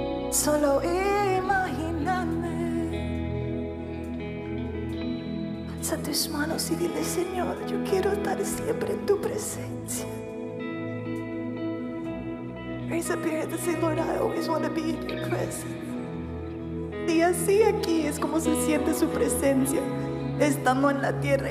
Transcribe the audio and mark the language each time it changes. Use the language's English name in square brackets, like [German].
[Spanish] Solo imagíname. Alza tus manos y dile, Señor, yo quiero estar siempre en tu presencia. [English] Raise up your hand and say, Lord, I always want to be in your presence. [Spanish] Y así aquí es como se siente su presencia, estando en la tierra.